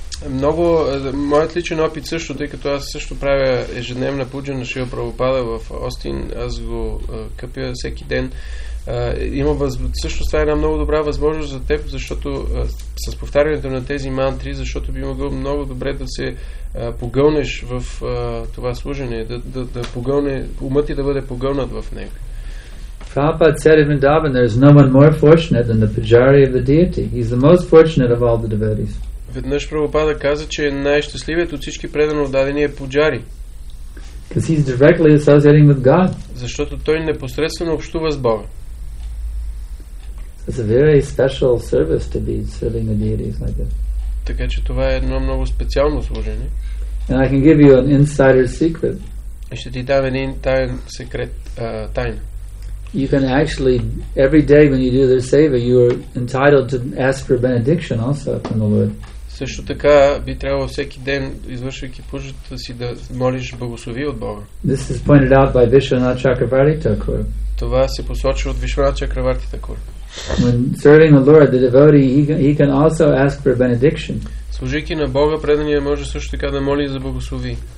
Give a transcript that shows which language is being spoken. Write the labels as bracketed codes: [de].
[bg] Много, моят личен опит също, тъй като аз също правя ежедневна пуджа на Шрила Прабхупада в Остин, аз го къпя всеки ден. Има също това е една много добра възможност за теб, защото с повтарянето на тези мантри, защото би могъл много добре да се погълнеш в това служение, да погълне, умът ти да бъде погълнат в него. [en] Prabhupada said in Vrindavan, there is no one more fortunate than the pujari of the deity. He's the most fortunate of all the devotees. [bg] Веднъж Прабхупада каза, че най-щастливият от всички предано отдадени е пуджари. [en] Because he's directly associating with God. [bg] Защото той непосредствено общува с Бога. [en] It's a very special service to be serving the deities like that. [bg] Така че това е едно много специално служение. [en] And I can give you an insider secret. [bg] И ще ти дам един таен секрет, тайна. [en] You can actually every day when you do their seva, you are entitled to ask for benediction also from the Lord. [bg] Също така би трябвало всеки ден, извършвайки пуджата си, да молиш благослови от Бога. [en] This is pointed out by Vishwanatha Chakravarti Thakur. [bg] Това се посочва от Вишванатха Чакраварти Такур. [en] When serving the Lord, the devotee, he can also ask for benediction. [bg] Служейки на Бога, преданият може също така да моли за благослови.